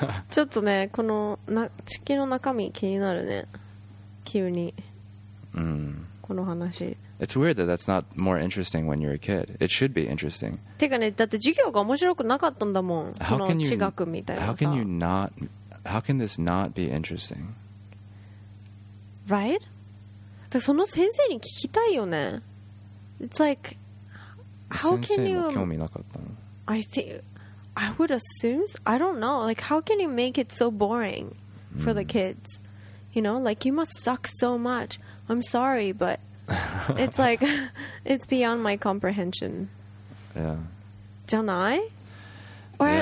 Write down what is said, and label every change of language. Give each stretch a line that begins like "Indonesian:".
Japanese: ちょっとね、この地球の中身気になるね。急に。この話。
English: It's weird that that's not more interesting when you're a kid. It should be interesting.
Japanese: てかね、だって授業が面白くなかったんだもん。この地学みたいなさ。
English: How can you not How can this not be interesting? Right?
Japanese: だからその先生に聞きたいよね。
English: It's like, how can you...
Japanese: 先生も興味なかったの?
English: I would assume... I don't know. Like, how can you make it so boring for the kids? You know, like, you must suck so much. I'm sorry, but it's like, it's beyond my comprehension. Yeah.
Japanese: じゃない?Or
English: yeah,